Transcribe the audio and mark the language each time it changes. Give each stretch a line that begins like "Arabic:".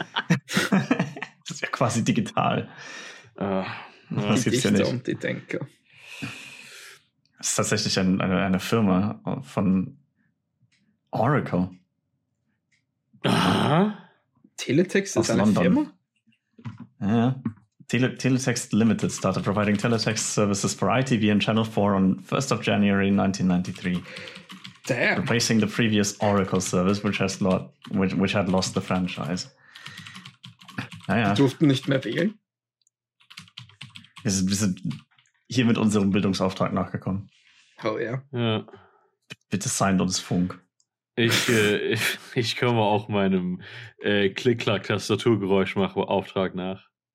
German: Das ist ja quasi digital. Das gibt's ja nicht. Die Dichter und die Denker. Das ist tatsächlich eine Firma von Oracle. Aha. Teletext ist eine London. Firma? Ja.
English: Teletext Limited started providing teletext services for ITV and Channel 4 on 1st of January 1993. Damn. Replacing the previous Oracle service, which had lost the franchise.
German: Naja. Die durften nicht mehr wählen. Wir sind hier mit unserem Bildungsauftrag nachgekommen.
English: Hell yeah.
German: Ja. Bitte signed uns Funk. Ich komme auch meinem Klick-Klack-Tastaturgeräusch-Auftrag nach.